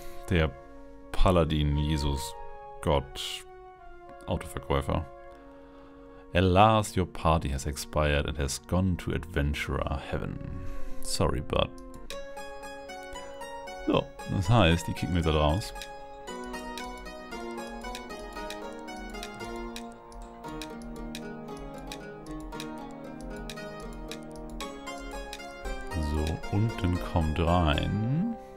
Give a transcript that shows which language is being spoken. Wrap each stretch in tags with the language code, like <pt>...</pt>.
<de>Der Paladin, Jesus, Gott, Autoverkäufer.</de> <en>At last, your party has expired and has gone to Adventurer Heaven. Sorry, bud.</en> <de>So, das heißt, die kicken wir da raus. So, unten kommt rein.</de>